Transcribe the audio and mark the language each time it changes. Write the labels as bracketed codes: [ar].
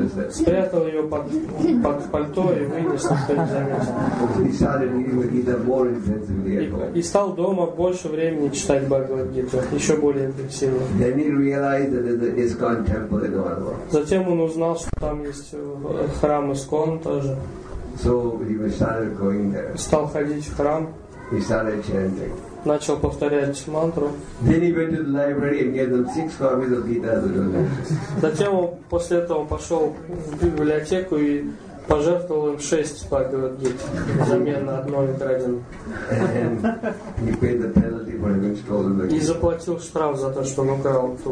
[ru] Спрятал ее под пальто и вынес, никто не заметил. И стал дома больше времени читать Бхагавад-гиту, еще более интенсивно. [en] Then he realized that there is ISKCON temple in Ottawa. [ru] Затем он узнал, что там есть храм ISKCON тоже. [en] So he started going there. [ru] Стал ходить в храм. [en] He started chanting. [ru] Начал повторять мантру. [en] Then he went to the library and gave them 6 copies of Gita. [ru] Затем он после этого пошел в библиотеку и пожертвовал им 6 Бхагавад Гит взамен на одно украденное. И заплатил штраф за то, что он украл ту